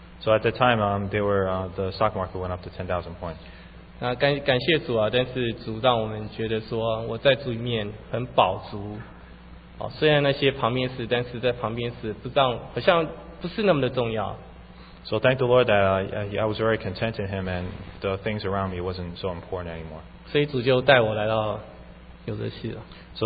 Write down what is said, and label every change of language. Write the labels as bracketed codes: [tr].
[en] So at the time, the stock market went up to 10,000 points. [zh] 感谢主啊，但是主让我们觉得说我在主里面很饱足，虽然那些旁边是，但是在旁边是不知道，好像不是那么的重要。 [en] So thank the Lord that I was very content in Him and the things around me wasn't so important anymore. [zh] 所以主就带我来到纽泽西了。 [en] So